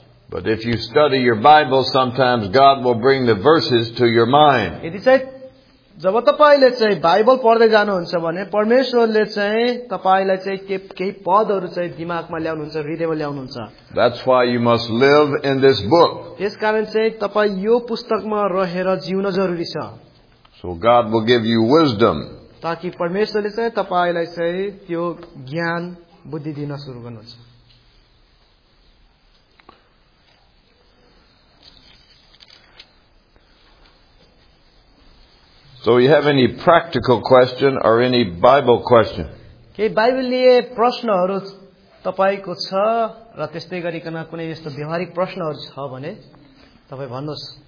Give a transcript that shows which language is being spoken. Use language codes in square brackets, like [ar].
[en] But if you study your Bible, sometimes God will bring the verses to your mind. [ne] जब तपाईले चाहिँ Bible पढ्दै जानुहुन्छ भने परमेश्वरले चाहिँ तपाईलाई चाहिँ केही पदहरु चाहिँ दिमागमा ल्याउनुहुन्छ हृदयमा ल्याउनुहुन्छ [en] That's why you must live in this book. [ne] यसकारण चाहिँ तपाई यो पुस्तकमा रहेर जिउन जरुरी छ. [en] So God will give you wisdom. [ne] ताकि परमेश्वरले चाहिँ तपाईलाई चाहिँ त्यो ज्ञान बुद्धि दिन सुरु गर्नुहुन्छ. [en] So you have any practical question or any Bible question? [ne] के बाइबलले प्रश्नहरु तपाईको छ र त्यस्तै गरिकन कुनै यस्तो व्यवहारिक प्रश्नहरु छ भने तपाई भन्नुस्